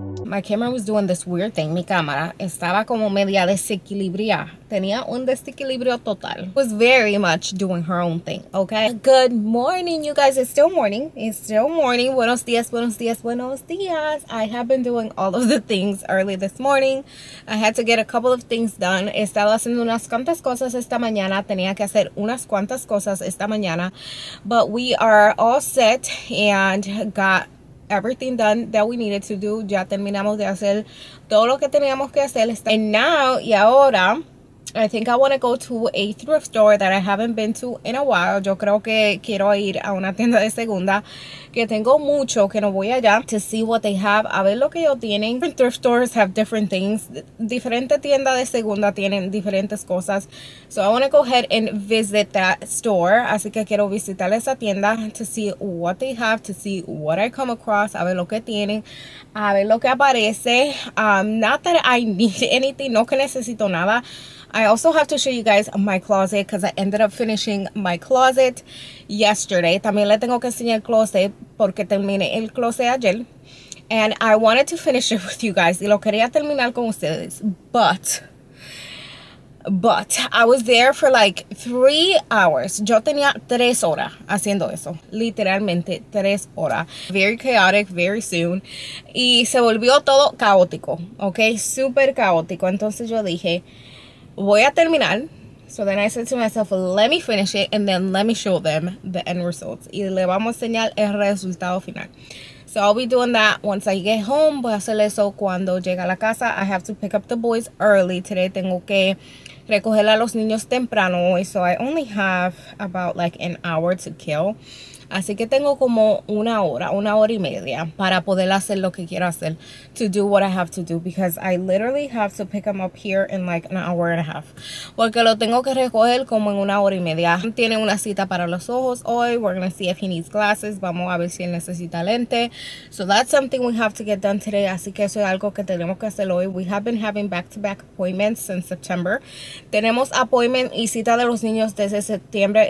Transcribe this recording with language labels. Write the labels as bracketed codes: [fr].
[en] My camera was doing this weird thing. [es] Mi cámara estaba como media desequilibria. Tenía un desequilibrio total. [en] Was very much doing her own thing, okay? Good morning, you guys. It's still morning. [es] Buenos días, buenos días, buenos días. [en] I have been doing all of the things early this morning. I had to get a couple of things done. [es] He estado haciendo unas cuantas cosas esta mañana. Tenía que hacer unas cuantas cosas esta mañana. [en] But we are all set and got everything done that we needed to do. [es] Ya terminamos de hacer todo lo que teníamos que hacer. [en] And now, [es] y ahora, [en] I think I want to go to a thrift store that I haven't been to in a while. [es] Yo creo que quiero ir a una tienda de segunda, que tengo mucho que no voy allá, [en] to see what they have, [es] a ver lo que ellos tienen. [en] Different thrift stores have different things. [es] Diferente tienda de segunda tienen diferentes cosas. [en] So I want to go ahead and visit that store. [es] Así que quiero visitar esa tienda [en] to see what they have, to see what I come across, [es] a ver lo que tienen, a ver lo que aparece. [en] Not that I need anything, [es] no que necesito nada. [en] I also have to show you guys my closet because I ended up finishing my closet yesterday. [es] También le tengo que enseñar el closet porque terminé el closet ayer. [en] And I wanted to finish it with you guys. [es] Y lo quería terminar con ustedes. [en] But I was there for like 3 hours. [es] Yo tenía 3 horas haciendo eso. Literalmente 3 horas. [en] Very chaotic, very soon. [es] Y se volvió todo caótico. Okay, super caótico. Entonces yo dije, voy a terminar. [en] So then I said to myself, let me finish it and then let me show them the end results. [es] Y le vamos a enseñar el resultado final. [en] So I'll be doing that once I get home. [es] Voy a hacer eso cuando llegue a la casa. [en] I have to pick up the boys early today. [es] Tengo que recoger a los niños temprano hoy. [en] So I only have about like an hour to kill. [es] Así que tengo como una hora y media para poder hacer lo que quiero hacer, [en] to do what I have to do, because I literally have to pick them up here in like an hour and a half. [es] Porque lo tengo que recoger como en una hora y media. Tiene una cita para los ojos hoy. [en] We're going to see if he needs glasses. [es] Vamos a ver si él necesita lente. [en] So that's something we have to get done today. [es] Así que eso es algo que tenemos que hacer hoy. [en] We have been having back-to-back appointments since September. [es] Tenemos appointment y cita de los niños desde septiembre.